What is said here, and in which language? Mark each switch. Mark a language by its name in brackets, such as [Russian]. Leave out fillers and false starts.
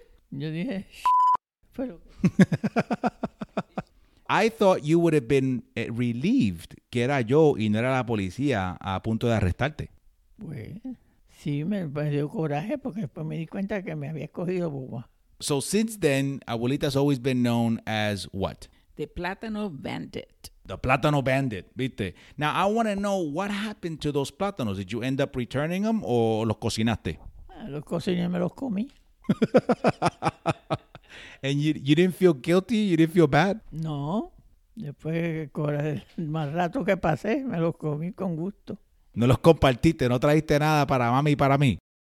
[Spanish] Yo dije, pero... [English] I thought you would have been relieved [Spanish] que era yo y no era la policía a punto de arrestarte. Pues, sí, me dio coraje porque después me di cuenta que me había cogido boba. [English] So since then, abuelita's always been known as what? The Plátano Bandit. The Plátano Bandit, viste. Now, I want to know, what happened to those plátanos? Did you end up returning them [Spanish] o los cocinaste? Los cociné, me los comí. [English] And you didn't feel guilty? You didn't feel bad? [Spanish] No. Después, el más rato que pasé, me los comí con gusto. ¿No los compartiste? ¿No trajiste nada para mami y para mí?